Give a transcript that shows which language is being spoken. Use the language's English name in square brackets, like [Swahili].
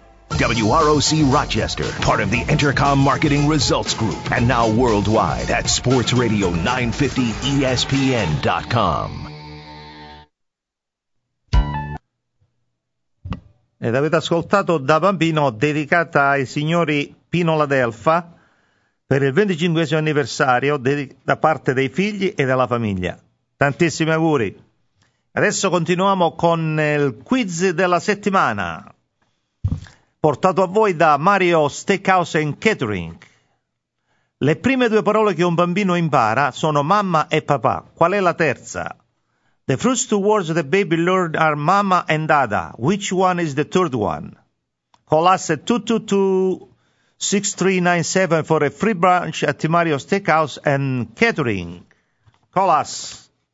[English] WROC Rochester, part of the Intercom Marketing Results Group, and now worldwide at sportsradio950espn.com. [Italian] Ed avete ascoltato Da Bambino, dedicata ai signori Pino La Delfa per il 25esimo anniversario da parte dei figli e della famiglia. Tantissimi auguri. Adesso continuiamo con il quiz della settimana, portato a voi da Mario Steakhouse and Catering. Le prime due parole che un bambino impara sono mamma e papà. Qual è la terza? [English] The first two words the baby learned are mama and dada. Which one is the third one? Call us at 222-6397 for a free brunch at Mario Steakhouse and Catering. Call us.